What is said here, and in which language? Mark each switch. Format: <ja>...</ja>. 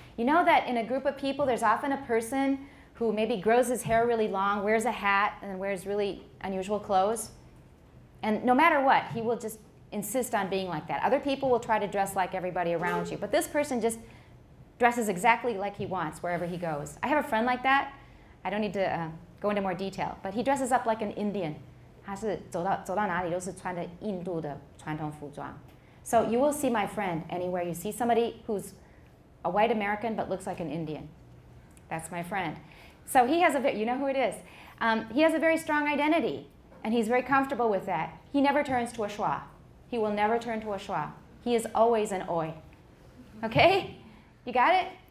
<en>You know that in a group of people, there's often a person who maybe grows his hair really long, wears a hat, and wears really unusual clothes. And no matter what, he will just insist on being like that. Other people will try to dress like everybody around you, but this person just dresses exactly like he wants wherever he goes. I have a friend like that. I don't need to go into more detail, but he dresses up like an Indian.</en> <zh>他是走到哪里都是穿着印度的传统服装.</zh> <en>So you will see my friend anywhere. You see somebody who's a white American but looks like an Indian. That's my friend. So he has a bit, you know who it is. He has a very strong identity, and he's very comfortable with that. He never turns to a schwa. He will never turn to a schwa. He is always an oi. Okay? You got it?</en>